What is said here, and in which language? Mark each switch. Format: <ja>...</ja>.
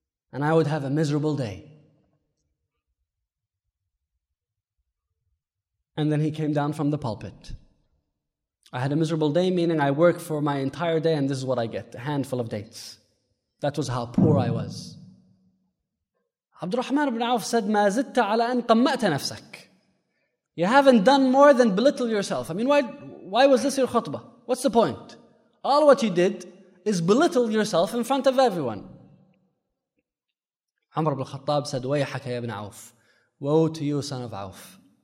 <en>And I would have a miserable day. And then he came down from the pulpit. I had a miserable day, meaning I work for my entire day and this is what I get, a handful of dates. That was how poor I was. Abdurrahman ibn Auf said,</en> <ar>مَا زِدْتَ عَلَىٰ أَنْ قَمَّأْتَ نَفْسَكَ.</ar> <en>You haven't done more than belittle yourself. I mean, why was this your khutbah? What's the point? All what you did is belittle yourself in front of everyone. Umar ibn al-Khattab said,</en> <ar>وَيَحَكَ يَا ابن عَوْف.</ar> <en>Woe to you, son of Auf.</en>